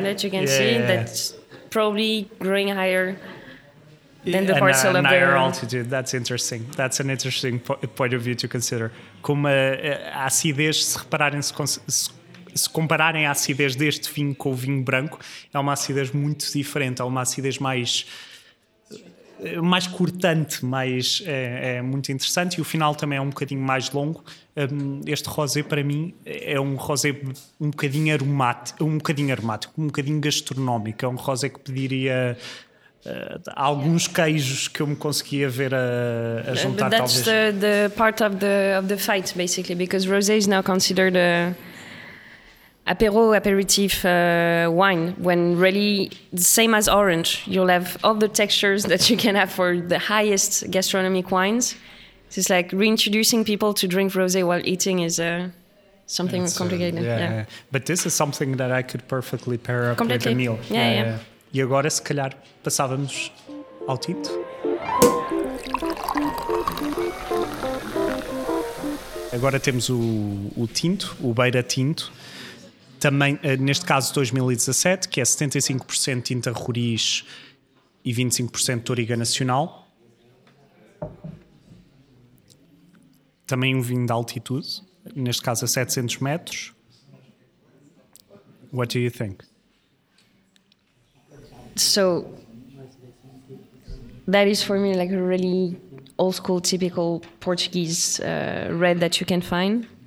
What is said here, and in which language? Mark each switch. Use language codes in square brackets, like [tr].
[en] That you can see, that's probably growing higher... Higher altitude, that's interesting. That's an interesting point of view to consider. [pt] Como a acidez, se repararem, se compararem a acidez deste vinho com o vinho branco, é uma acidez muito diferente, é uma acidez mais cortante, mais é muito interessante, e o final também é um bocadinho mais longo. Este rosé, para mim, é um rosé um bocadinho aromático, um bocadinho gastronómico. É um rosé que pediria... alguns queijos que eu me conseguia ver a juntar, [en] but that's [pt] talvez. [en] The part of the fight basically, because rosé is now considered a aperitif wine, when really the same as orange, you'll have all the textures that you can have for the highest gastronomic wines. So it's like reintroducing people to drink rosé while eating is a something it's complicated. But this is something that I could perfectly pair up completely with a meal. Yeah. [pt] E agora, se calhar, passávamos ao Tinto. Agora temos o Tinto, o Beira Tinto. Também, neste caso, 2017, que é 75% tinta roriz e 25% Touriga Nacional. Também um vinho de altitude, neste caso a 700 metros. [en] What do you think? So that is for me like a really old school typical Portuguese red that you can find.